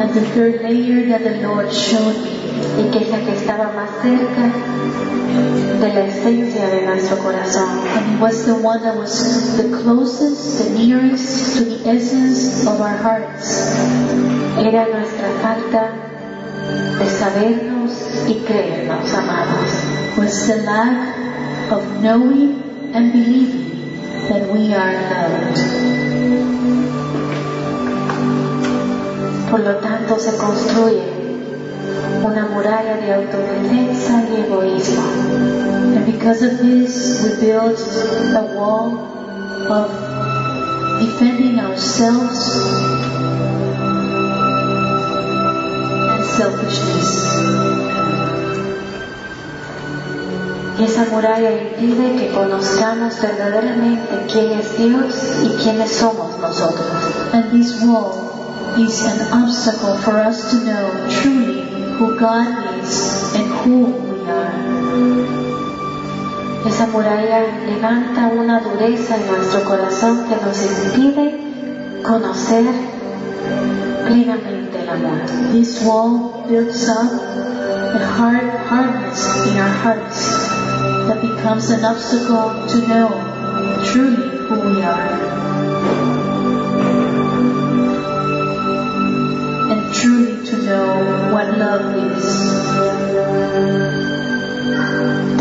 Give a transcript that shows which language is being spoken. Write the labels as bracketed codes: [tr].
[en] and the third layer that the Lord showed me, [es] y que es el que estaba más cerca de la esencia de nuestro corazón, [en] and it was the one that was the closest, the nearest to the essence of our hearts, [es] era nuestra falta de sabernos y creernos amados, [en] was the lack of knowing and believing that we are loved. [es] Por lo tanto, se construye una muralla de autodefensa y egoísmo. [en] And because of this, we build a wall of defending ourselves and selfishness. [es] Y esa muralla impide que conozcamos verdaderamente quién es Dios y quiénes somos nosotros. [en] And this wall is an obstacle for us to know truly who God is and who we are. [es] Esa muralla levanta una dureza en nuestro corazón que nos impide conocer plenamente el amor. [en] This wall builds up a hardness in our hearts that becomes an obstacle to know truly who we are. Truly to know what love is.